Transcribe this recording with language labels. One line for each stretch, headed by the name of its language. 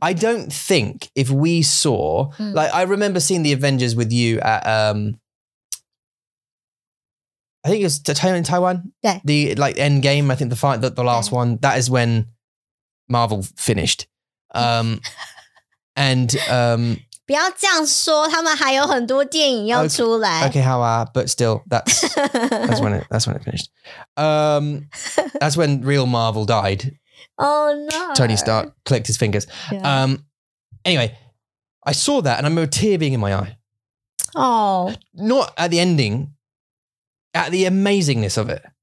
English: I don't think if we saw, like, I remember seeing the Avengers with you at, I think it was in Taiwan. Yeah. The like end game, I think the fight, the last one, that is when Marvel finished. And
Chinese: 不要这样说，他们还有很多电影要出来。
English: Okay, how are, but still that's when it finished. That's when real Marvel died. Oh no. Tony Stark clicked his fingers. Yeah. Anyway, I saw that and I remember a tear being in my eye. Oh. Not at the ending. At the amazingness of it.